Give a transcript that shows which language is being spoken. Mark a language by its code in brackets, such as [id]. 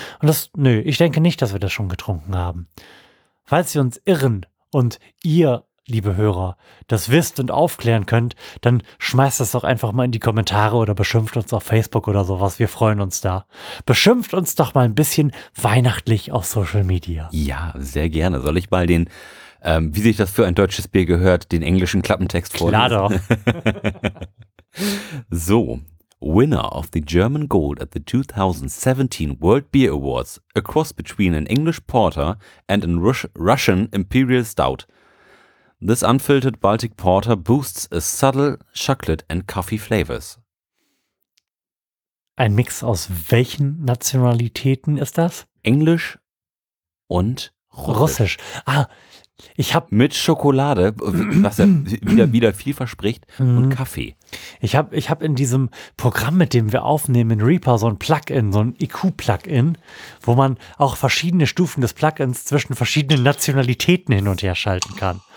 [de] Und das, nö, ich denke nicht, dass wir das schon getrunken haben. Falls wir uns irren und ihr, liebe Hörer, das wisst und aufklären könnt, dann schmeißt das doch einfach mal in die Kommentare oder beschimpft uns auf Facebook oder sowas. Wir freuen uns da. Beschimpft uns doch mal ein bisschen weihnachtlich auf Social Media. Ja, sehr gerne. Soll ich mal den, wie sich das für ein deutsches Bier gehört, den englischen Klappentext vorlesen? Klar doch. [en] So, winner of the German Gold at the 2017 World Beer Awards, a cross between an English Porter and a Russian Imperial Stout. This unfiltered Baltic Porter boosts a subtle chocolate and coffee flavors. [de] Ein Mix aus welchen Nationalitäten ist das? Englisch und Russisch. Ah, ich habe mit Schokolade, was ja wieder viel verspricht, und Kaffee. Ich hab in diesem Programm, mit dem wir aufnehmen, in Reaper, so ein Plugin, so ein IQ-Plugin, wo man auch verschiedene Stufen des Plugins zwischen verschiedenen Nationalitäten hin und her schalten kann.